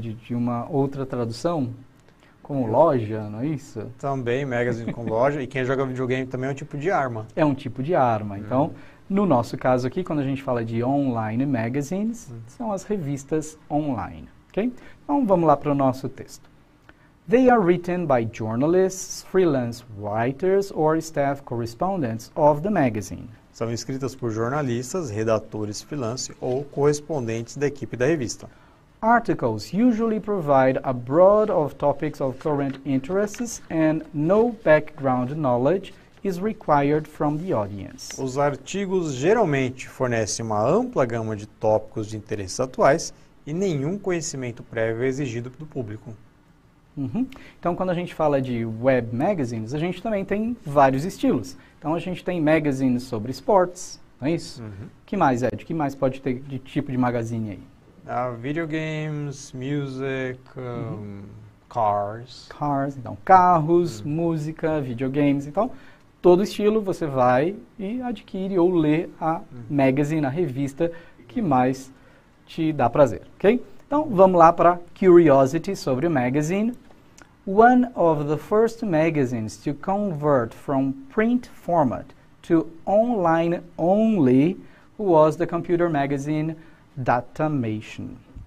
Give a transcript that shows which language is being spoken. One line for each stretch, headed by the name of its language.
Portuguese: De uma outra tradução, como loja, não é isso? Também, magazine com loja. E quem joga videogame também é um tipo de arma. É um tipo de arma. Então, no nosso caso aqui, quando a gente fala de online magazines, são as revistas online, ok? Então, vamos lá para o nosso texto.
English: They are written by journalists, freelance writers or staff correspondents of the magazine.
Portuguese: São escritas por jornalistas, redatores, freelance ou correspondentes da equipe da revista.
English: Articles usually provide a broad of topics of current interests and no background knowledge is required from the audience.
Portuguese: Os artigos geralmente fornecem uma ampla gama de tópicos de interesses atuais e nenhum conhecimento prévio é exigido do público. Uhum. Então, quando a gente fala de web magazines, a gente também tem vários estilos. Então, a gente tem magazines sobre esportes, não é isso? Uhum. Que mais, Ed? Que mais pode ter de tipo de magazine aí?
English: Videogames, music, cars.
Portuguese: Cars, então, carros, música, videogames. Então, todo estilo você vai e adquire ou lê a magazine, a revista que mais te dá prazer, ok? Então, vamos lá para curiosity sobre o magazine.
English: One of the first magazines to convert from print format to online only was the computer magazine Datamation.